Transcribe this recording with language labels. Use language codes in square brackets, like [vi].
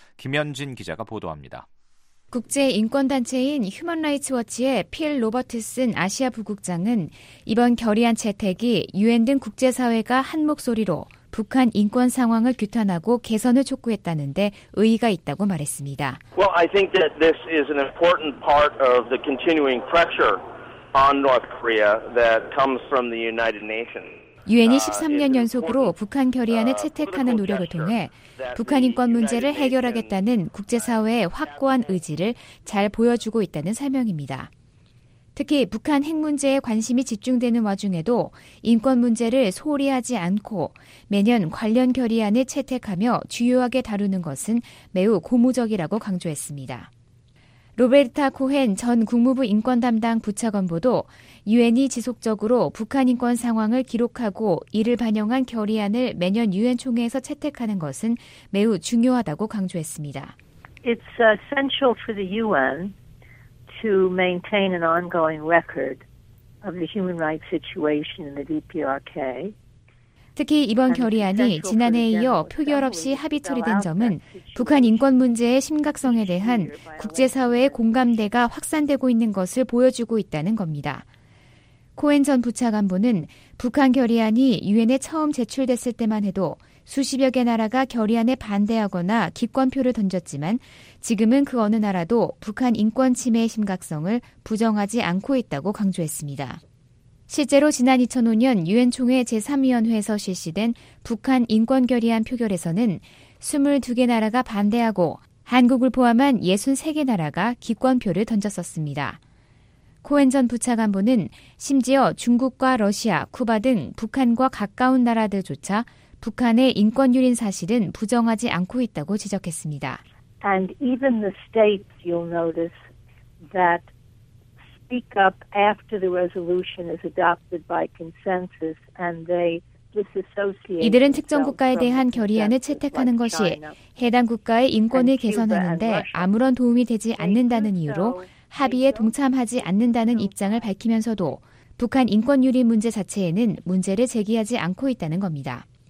[ko] 김현진 기자가 보도합니다. 국제인권단체인 휴먼라이츠워치의 필 로버트슨 아시아 부국장은 이번 결의안 채택이 유엔 등 국제사회가 한 목소리로 북한 인권 상황을 규탄하고 개선을 촉구했다는데 의의가 있다고 말했습니다. [en] Well, I think that this is an important part of the continuing pressure on North Korea that comes from the United Nations. [ko] 유엔이 13년 연속으로 북한 결의안을 채택하는 노력을 통해 북한 인권 문제를 해결하겠다는 국제사회의 확고한 의지를 잘 보여주고 있다는 설명입니다. 특히 북한 핵 문제에 관심이 집중되는 와중에도 인권 문제를 소홀히 하지 않고 매년 관련 결의안을 채택하며 주요하게 다루는 것은 매우 고무적이라고 강조했습니다. 로베르타 코헨 전 국무부 인권 담당 부차관보도 유엔이 지속적으로 북한 인권 상황을 기록하고 이를 반영한 결의안을 매년 유엔 총회에서 채택하는 것은 매우 중요하다고 강조했습니다. [en] It's essential for the UN to maintain an ongoing record of the human rights situation in the DPRK. [ko] 특히 이번 결의안이 지난해에 이어 표결 없이 합의 처리된 점은 북한 인권 문제의 심각성에 대한 국제사회의 공감대가 확산되고 있는 것을 보여주고 있다는 겁니다. 코엔 전 부차관보는 북한 결의안이 유엔에 처음 제출됐을 때만 해도 수십여 개 나라가 결의안에 반대하거나 기권표를 던졌지만 지금은 그 어느 나라도 북한 인권 침해의 심각성을 부정하지 않고 있다고 강조했습니다. 실제로 지난 2005년 유엔 총회 제3위원회에서 실시된 북한 인권 결의안 표결에서는 22개 나라가 반대하고 한국을 포함한 63개 나라가 기권표를 던졌었습니다. 코엔 전 부차관보는 심지어 중국과 러시아, 쿠바 등 북한과 가까운 나라들조차 북한의 인권 유린 사실은 부정하지 않고 있다고 지적했습니다. [en] And even the states you'll notice that speak up after the resolution is adopted by consensus and they disassociate. [ko] 이들은 특정 국가에 대한 결의안을 채택하는 것이 해당 국가의 인권을 개선하는데 아무런 도움이 되지 않는다는 이유로 합의에 동참하지 않는다는 입장을 밝히면서도 북한 인권 유린 문제 자체에는 문제를 제기하지 않고 있다는 겁니다.